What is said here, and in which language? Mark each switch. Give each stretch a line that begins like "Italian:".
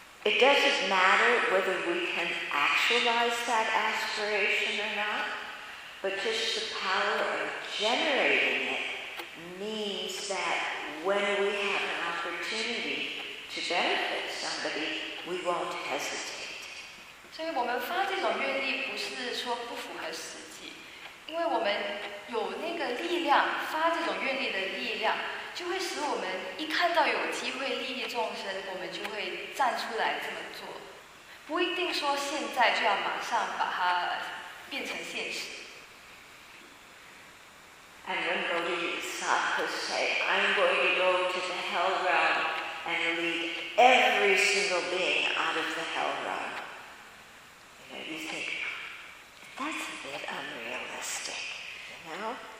English: It doesn't matter whether we can actualize that aspiration or not, but just the power of generating it means that when we have an opportunity to benefit somebody, we won't hesitate.
Chinese: 所以我们发这种愿力不是说不符合实际，因为我们有那个力量，发这种愿力的力量，就会使我们一看到有机会利益众生，我们就会站出来这么做，不一定说现在就要马上把它变成现实。
English: And when bodhisattvas say, I'm going to go to the hell realm and lead every single being out of the hell realm, you know, you think, that's a bit unrealistic, you know?